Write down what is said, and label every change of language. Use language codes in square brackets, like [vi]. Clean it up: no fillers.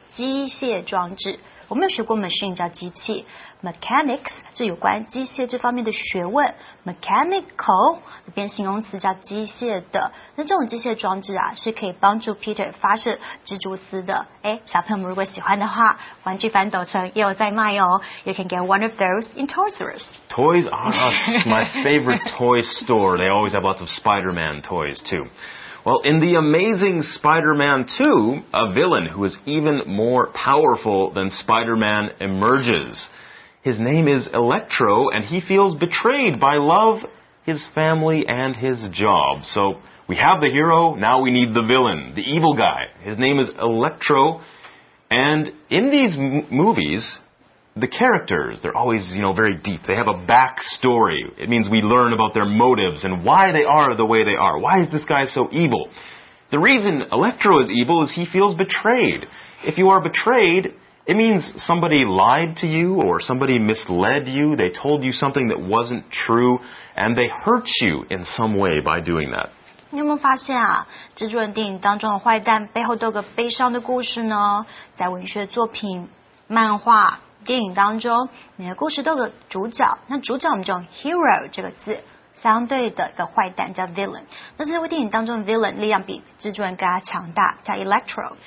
[zh] 机械装置。我们有学过 machine 叫机器 ，mechanics 是有关机械这方面的学问 ，mechanical 这边形容词叫机械的。那这种机械装置啊，是可以帮助 Peter 发射蜘蛛丝的。哎，小朋友们如果喜欢的话，玩具反斗城也有在卖哦。 [en] You can get one of those in Toys R Us. Toys R Us, my favorite toy store. They always have lots of Spider-Man toys too. Well, in The Amazing Spider-Man 2, a villain who is even more powerful than Spider-Man emerges. His name is Electro, and he feels betrayed by love, his family, and his job. So, we have the hero, now we need the villain, the evil guy. His name is Electro, and in these movies, the characters, they're always, you know, very deep. They have a backstory. It means we learn about their motives and why they are the way they are. Why is this guy so evil? The reason Electro is evil is he feels betrayed. If you are betrayed, it means somebody lied to you or somebody misled you. They told you something that wasn't true and they hurt you in some way by doing that. [zh] 你有没有发现啊，蜘蛛人电影当中的坏蛋背后都有个悲伤的故事呢？在文学作品、漫画、电影当中，每个故事都有个主角。那主角我们就用 hero 这个字，相对的一个坏蛋叫 villain。那这部电影当中 villain 力量比蜘蛛人更加强大，叫 Electro。